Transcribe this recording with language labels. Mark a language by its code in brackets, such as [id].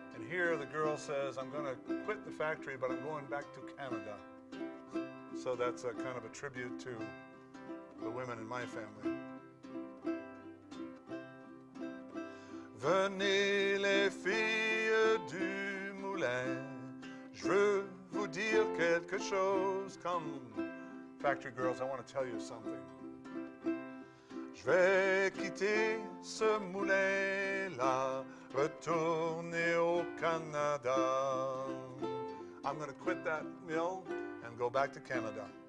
[en] Here the girl says, I'm going to quit the factory, but I'm going back to Canada. So that's a kind of a tribute to the women in my family. [fr] Venez les filles du moulin, je veux vous dire quelque chose. [en] Come, factory girls, I want to tell you something. [fr] Je vais quitter ce moulin-là, retourner au Canada. [en] I'm going to quit that mill and go back to Canada.